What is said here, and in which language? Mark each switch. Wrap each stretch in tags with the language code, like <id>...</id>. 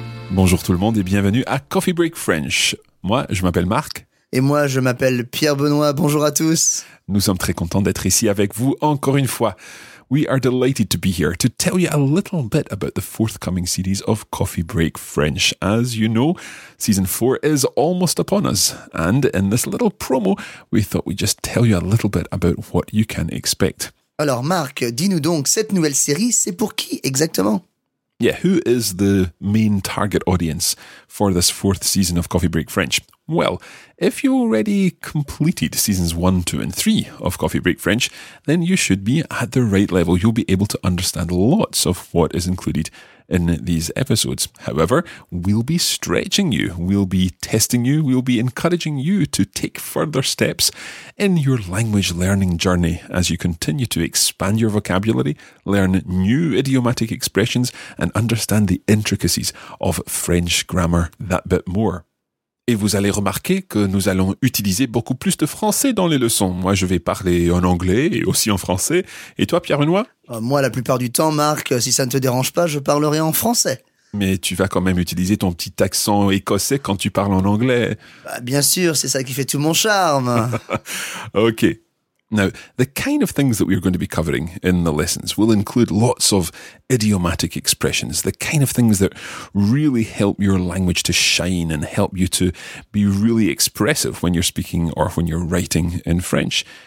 <fr>Bonjour tout le monde et bienvenue à Coffee Break French. Moi, je m'appelle Marc. Et moi, je m'appelle Pierre-Benoît. Bonjour à tous. Nous sommes très contents d'être ici avec vous encore une fois.</fr> <en>We are delighted to be here to tell you a little bit about the forthcoming series of Coffee Break French. As you know, season 4 is almost upon us. And in this little promo, we thought we'd just tell you a little bit about what you can expect.</en> <fr>Alors Marc, dis-nous donc, cette nouvelle série, c'est pour qui exactement?</fr> <en>Yeah, who is the main target audience for this fourth season of Coffee Break French? Well, if you already completed seasons 1, 2 and 3 of Coffee Break French, then you should be at the right level. You'll be able to understand lots of what is included in these episodes. However, we'll be stretching you, we'll be testing you, we'll be encouraging you to take further steps in your language learning journey as you continue to expand your vocabulary, learn new idiomatic expressions and understand the intricacies of French grammar that bit more.</en> <fr>Et vous allez remarquer que nous allons utiliser beaucoup plus de français dans les leçons. Moi, je vais parler en anglais et aussi en français. Et toi, Pierre-Benoît? Moi, la plupart du temps, Marc, si ça ne te dérange pas, je parlerai en français. Mais tu vas quand même utiliser ton petit accent écossais quand tu parles en anglais. Bah, bien sûr, c'est ça qui fait tout mon charme.</fr> <en>OK. Now, the kind of things that we are going to be covering in the lessons will include lots of idiomatic expressions, the kind of things that really help your language to shine and help you to be really expressive when you're speaking or when you're writing in French.</en>